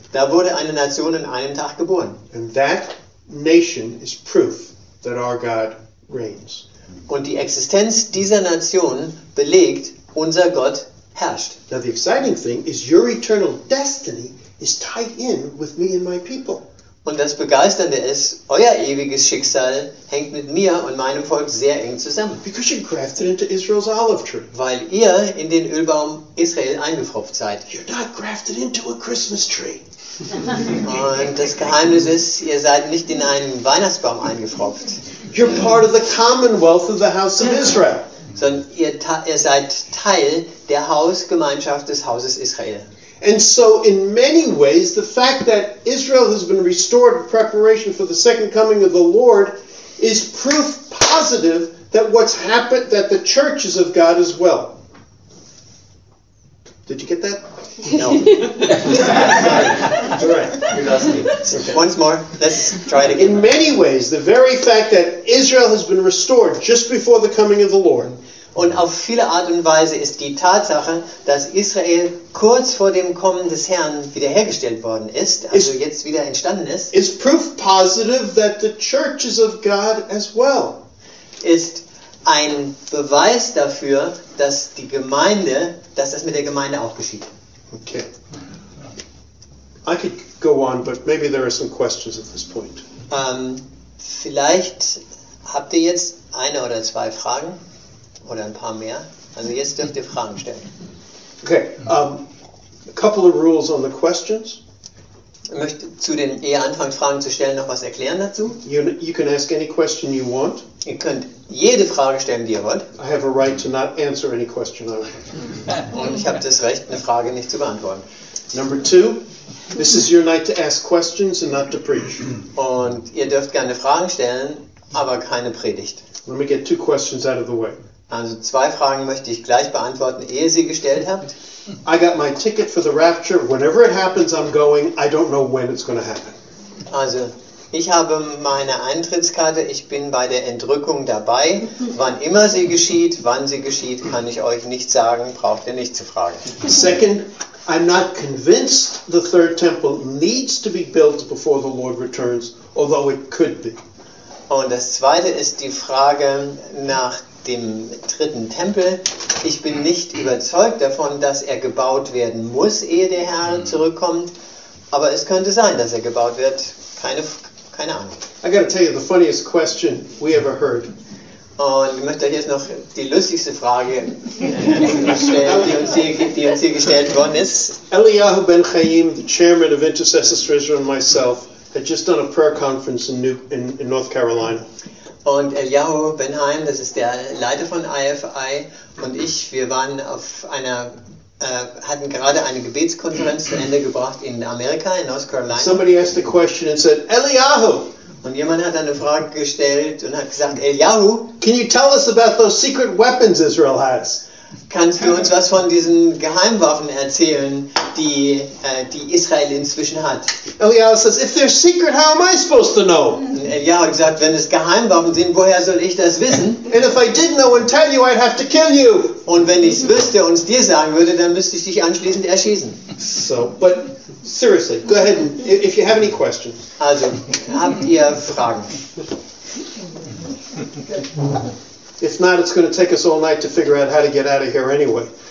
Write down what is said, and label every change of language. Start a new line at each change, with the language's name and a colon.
German: Da wurde eine Nation in einem Tag geboren.
English: And that nation is proof that our God reigns.
German: Und die Existenz dieser Nation belegt, unser Gott herrscht.
English: Now the exciting thing is your eternal destiny is tied in with me and my people.
German: Und das Begeisternde ist, euer ewiges Schicksal hängt mit mir und meinem Volk sehr eng zusammen.
English: Because you grafted into Israel's olive tree.
German: Weil ihr in den Ölbaum Israel eingepfropft seid.
English: You're not grafted into a Christmas tree.
German: Und das Geheimnis ist, ihr seid nicht in einen Weihnachtsbaum eingepfropft.
English: You're part of the commonwealth of the house of Israel.
German: Sondern ihr seid Teil der Hausgemeinschaft des Hauses Israel.
English: And so in many ways the fact that Israel has been restored in preparation for the second coming of the Lord is proof positive that what's happened, that the church is of God as well. Did you get that? No. Sorry. All right. You lost me. Okay. Once more, let's try it again. In many ways the very fact that Israel has been restored just before the coming of the Lord.
German: Und auf viele Art und Weise ist die Tatsache, dass Israel kurz vor dem Kommen des Herrn wiederhergestellt worden ist, also jetzt wieder entstanden ist,
English: is proof positive that the church is of God as well.
German: Ist ein Beweis dafür, dass die Gemeinde, dass das mit der Gemeinde auch geschieht.
English: Okay. I could go on, but maybe there are some questions at this point.
German: Vielleicht habt ihr jetzt eine oder zwei Fragen. Oder ein paar mehr. Also jetzt dürft ihr Fragen stellen.
English: Okay, a couple of rules on the questions.
German: Ich möchte zu den eher Anfangsfragen zu stellen noch was erklären dazu.
English: You can ask any question you want.
German: Ihr könnt jede Frage stellen, die ihr wollt.
English: I have a right to not answer any question I want.
German: Und ich habe das Recht, eine Frage nicht zu beantworten.
English: Number two, this is your night to ask questions and not to preach.
German: Und ihr dürft gerne Fragen stellen, aber keine Predigt.
English: Let me get two questions out of the way.
German: Also zwei Fragen möchte ich gleich beantworten, ehe sie gestellt habt.
English: I got my ticket for the rapture. Whenever it happens, I'm going. I don't know when it's going to happen.
German: Also, ich habe meine Eintrittskarte. Ich bin bei der Entrückung dabei. Wann immer sie geschieht, wann sie geschieht, kann ich euch nicht sagen. Braucht ihr nicht zu fragen.
English: Second, I'm not convinced the third temple needs to be built before the Lord returns, although it could be.
German: Und das zweite ist die Frage nach dem dritten Tempel. Ich bin nicht überzeugt davon, dass er gebaut werden muss, ehe der Herr zurückkommt. Aber es könnte sein, dass er gebaut wird. Keine Ahnung.
English: I gotta tell you the funniest question we ever heard.
German: Und ich möchte euch jetzt noch die lustigste Frage stellen, die uns hier gestellt worden ist.
English: Eliyahu Ben Chaim, the chairman of Intercessors for Israel, and myself, had just done a prayer conference in North Carolina.
German: Und Eliyahu Ben Chaim, das ist der Leiter von IFI, und ich, wir waren auf einer, hatten gerade eine Gebetskonferenz zu Ende gebracht in Amerika, in North Carolina.
English: Somebody asked a question and said, Eliyahu!
German: Und jemand hat eine Frage gestellt und hat gesagt, Eliyahu,
English: can you tell us about those secret weapons Israel has?
German: Kannst du uns was von diesen Geheimwaffen erzählen, die Israel inzwischen hat?
English: Eliyahu says, if they're secret, how am I supposed to know?
German: Und Eliyahu hat gesagt, wenn es Geheimwaffen sind, woher soll ich das wissen?
English: And if I didn't know and tell you, I'd have to kill you.
German: Und wenn ich es wüsste und es dir sagen würde, dann müsste ich dich anschließend erschießen.
English: So, but seriously, go ahead and if you have any questions.
German: Also, habt ihr Fragen?
English: If not, it's going to take us all night to figure out how to get out of here anyway.